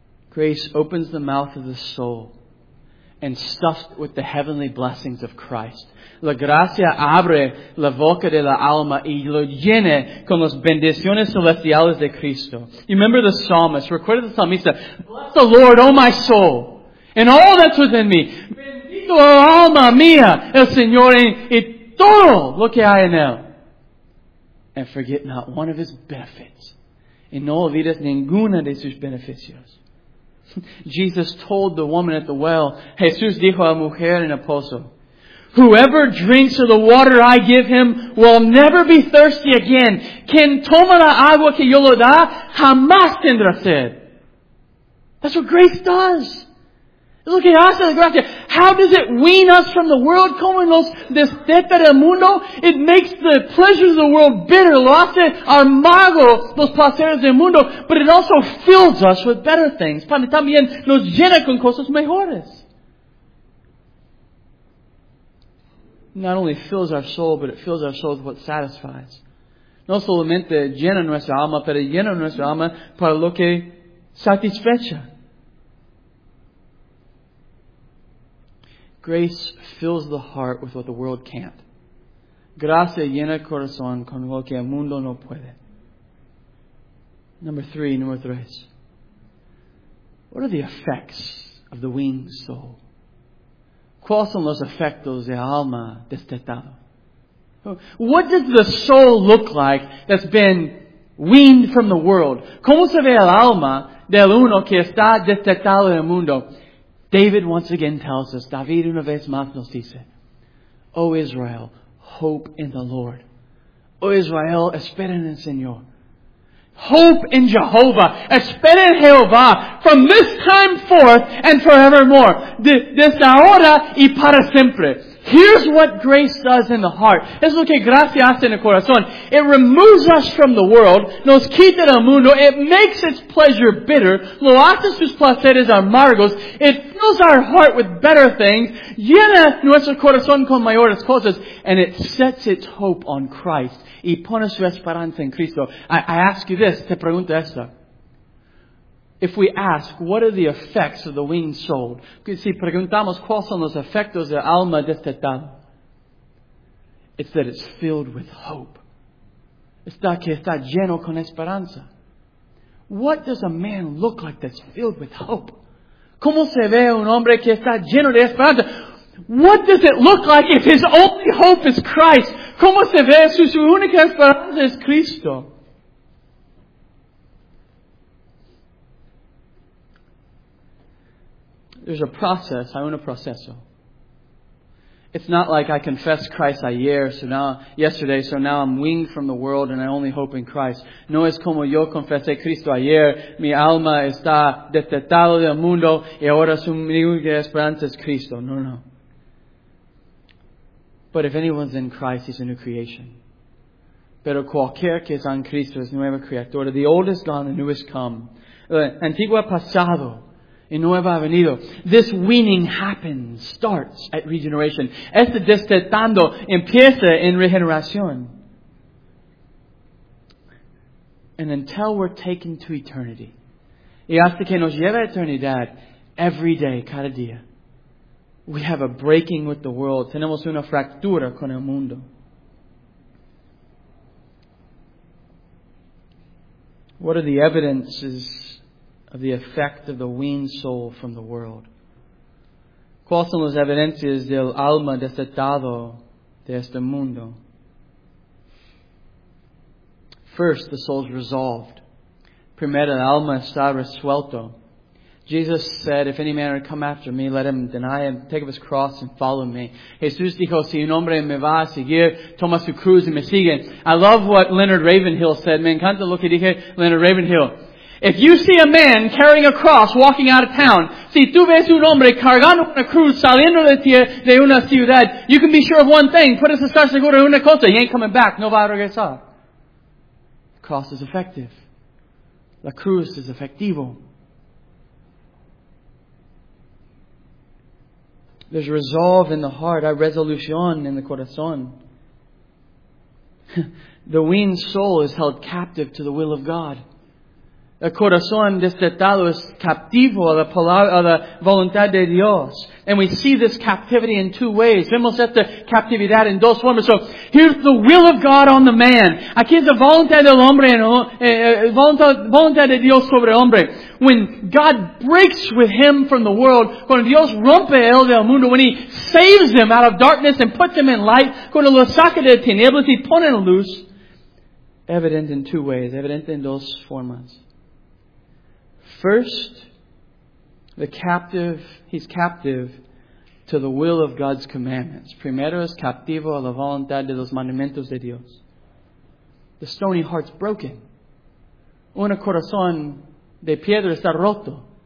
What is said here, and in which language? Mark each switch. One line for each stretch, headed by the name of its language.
English: Grace opens the mouth of the soul and stuffs it with the heavenly blessings of Christ.
Spanish: La gracia abre la boca de la alma y lo llena con las bendiciones celestiales de Cristo.
English: You remember the psalmist.
Spanish: Recuerda
English: the psalmist. Bless the Lord, O my soul, and all that's within me.
Spanish: Oh, alma mía, el Señor y todo lo que hay en él.
English: And forget not one of his benefits.
Spanish: Y no olvides ninguna de sus beneficios.
English: Jesus told the woman at the well,
Spanish: Jesús dijo a la mujer en el pozo,
English: whoever drinks of the water I give him will never be thirsty again.
Spanish: Quien toma la agua que yo lo da, jamás tendrá sed.
English: That's what grace does. Look at us,
Spanish: la gracia.
English: How does it wean us from the world?
Spanish: Como nos destete del mundo?
English: It makes the pleasures of the world bitter.
Spanish: Lo hace amargo los placeres del mundo.
English: But it also fills us with better things.
Spanish: Para también nos llena con cosas mejores.
English: Not only fills our soul, but it fills our soul with what satisfies.
Spanish: No solamente llena nuestra alma, pero llena nuestra alma para lo que satisfecha.
English: Grace fills the heart with what the world can't.
Spanish: Gracia llena el corazón con lo que el mundo no puede.
English: Number three. What are the effects of the weaned soul?
Spanish: ¿Cuáles son los efectos de alma destetada?
English: What does the soul look like that's been weaned from the world?
Spanish: ¿Cómo se ve el alma del uno que está destetado del mundo?
English: David once again tells us,
Spanish: David una vez más nos dice,
English: O Israel, hope in the Lord.
Spanish: O Israel, espera en el Señor.
English: Hope in Jehovah.
Spanish: Espera en Jehová.
English: From this time forth and forevermore.
Spanish: Desde ahora y para siempre.
English: Here's what grace does in the heart.
Spanish: Es lo que gracia hace en el corazón.
English: It removes us from the world.
Spanish: Nos quita del mundo.
English: It makes its pleasure bitter.
Spanish: Lo hace sus placeres amargos.
English: It fills our heart with better things.
Spanish: Llena nuestro corazón con mayores cosas.
English: And it sets its hope on Christ.
Spanish: Y pone su esperanza en Cristo.
English: I ask you this,
Spanish: te pregunto esto.
English: If we ask, what are the effects of the weaned soul?
Spanish: Si preguntamos, ¿cuáles son los efectos del alma destetada?
English: It's that it's filled with hope.
Spanish: Está que está lleno con esperanza.
English: What does a man look like that's filled with hope?
Spanish: ¿Cómo se ve un hombre que está lleno de esperanza?
English: What does it look like if his only hope is Christ?
Spanish: ¿Cómo se ve si su única esperanza es Cristo?
English: There's a process.
Spanish: Hay un proceso.
English: It's not like I confessed Christ yesterday, so now I'm weaned from the world and I only hope in Christ.
Spanish: No es como yo confesé Cristo ayer. Mi alma está destetado del mundo y ahora su única esperanza es Cristo. No.
English: But if anyone's in Christ, he's a new creation.
Spanish: Pero cualquier que está en Cristo es nueva criatura.
English: The old is gone, the new is come.
Spanish: Antiguo ha pasado, y nuevo ha venido.
English: This weaning happens, starts at regeneration.
Spanish: Este destetando empieza en regeneración.
English: And until we're taken to eternity,
Spanish: y hasta que nos lleve a eternidad,
English: every day,
Spanish: cada día,
English: we have a breaking with the world.
Spanish: Tenemos una fractura con el mundo.
English: What are the evidences of the effect of the weaned soul from the world?
Spanish: ¿Cuáles son las evidencias del alma desatado de este mundo?
English: First, the soul's resolved.
Spanish: Primero, el alma está resuelto.
English: Jesus said, if any man would come after me, let him deny him, take up his cross and follow me.
Spanish: Jesús dijo, si un hombre me va a seguir, toma su cruz y me sigue.
English: I love what Leonard Ravenhill said.
Spanish: Me encanta lo que dije Leonard Ravenhill.
English: If you see a man carrying a cross walking out of town,
Spanish: si tú ves un hombre cargando una cruz saliendo de una ciudad,
English: you can be sure of one thing.
Spanish: Puedes estar seguro de una cosa.
English: He ain't coming back.
Spanish: No va a regresar.
English: The cross is effective.
Spanish: La cruz is efectivo.
English: There's resolve in the heart, a resolución in the corazón. The weaned soul is held captive to the will of God.
Spanish: El corazón destetado es captivo a la voluntad de Dios.
English: And we see this captivity in two ways.
Spanish: Vemos esta captividad en dos formas.
English: So, here's the will of God on the man.
Spanish: Aquí es la voluntad del hombre, voluntad de Dios sobre el hombre.
English: When God breaks with him from the world,
Spanish: cuando Dios rompe él del mundo,
English: when he saves him out of darkness and puts him in light,
Spanish: cuando lo saca de tinieblas y pone en luz,
English: evident in two ways, evident in
Spanish: dos formas.
English: First, he's captive to the will of God's commandments.
Spanish: Primero es captivo a la voluntad de los mandamientos de Dios.
English: The stony heart's broken.
Spanish: Un corazón de piedra está roto.